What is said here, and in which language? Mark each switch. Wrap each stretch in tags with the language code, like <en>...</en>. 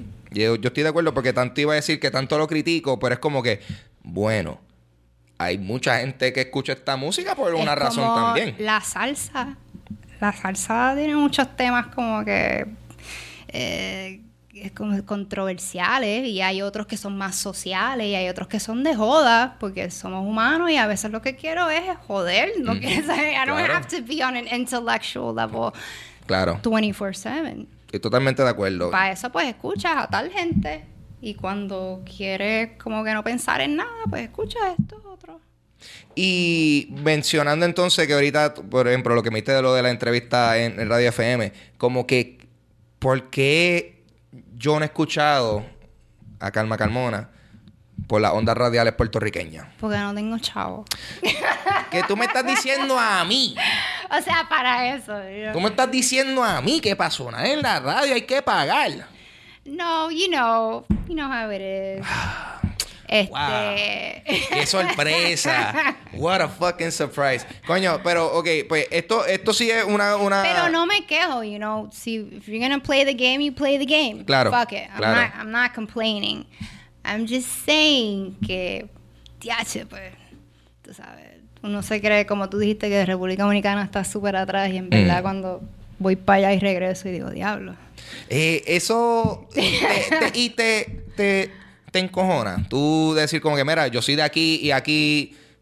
<es>Yo estoy de acuerdo porque tanto iba a decir que tanto lo critico, pero es como que, bueno, hay mucha gente que escucha esta música por una razón también. La salsa. La salsa tiene muchos temas como que es como controversiales y hay otros que son más sociales y hay otros que son de joda porque somos humanos y a veces lo que quiero es joder. No quiero saber.</es> <en>I don't have to be on an intellectual level.</en> <es>Claro.</es> <en>24/7.</en> <es>Estoy totalmente de acuerdo. Para eso pues escuchas a tal gente y cuando quieres como que no pensar en nada pues escuchas esto otro. Y mencionando entonces que ahorita, por ejemplo, lo que me diste de lo de la entrevista en Radio FM, como que ¿por qué yo no he escuchado a Calma Carmona por las ondas radiales puertorriqueñas? Porque no tengo chavo. ¿Qué tú me estás diciendo a mí? O sea, para eso. ¿Tú me estás diciendo a mí qué pasó? ¿Nada en la radio? ¿Hay que pagar?</es> <en>No, you know how it is. Wow.</en> <es>¡Qué sorpresa!</es> <en>What a fucking surprise.</en> <es>Coño, pero ok, pues esto sí es una... Pero no me quejo,</es> <en>you know. Si, if you're gonna play the game, you play the game.</en> <es>Claro.</es> <en>Fuck it. I'm not complaining. I'm just saying que</en> <es>tiache, pues, tú sabes, uno se cree, como tú dijiste, que República Dominicana está súper atrás, y en verdad cuando voy para allá y regreso y digo, diablo. Eso, te encojona, tú decir como que, mira, yo soy de aquí y aquí...</es>